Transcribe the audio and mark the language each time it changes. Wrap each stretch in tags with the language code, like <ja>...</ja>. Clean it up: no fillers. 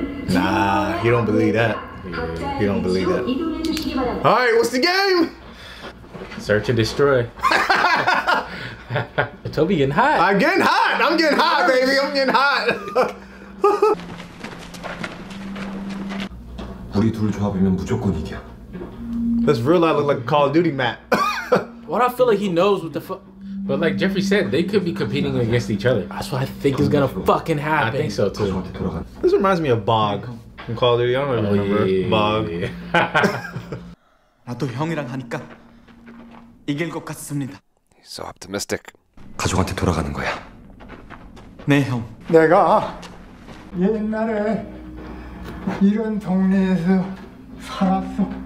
<en>Nah, he don't believe that. He don't believe that. All right, what's the game? Search and destroy. Toby getting hot. I'm getting hot. I'm getting hot, baby. I'm getting hot.</en> <ko>우리 둘 조합이면 무조건 이겨.</ko> <en>This real life look like Call of Duty map. What I feel like he knows what the fuck. But like Jeffrey said, they could be competing against each other. That's what I think is gonna fucking happen. I think so too. This reminds me of Bog from Call of Duty. I don't even remember. Bog.</en> <ko>나도 형이랑 하니까 이길 것 같습니다.</ko> <en>He's so optimistic.</en> <ko>가족한테 돌아가는 거야. 네 형. 내가 옛날에 이런 동네에서 살았어.</ko>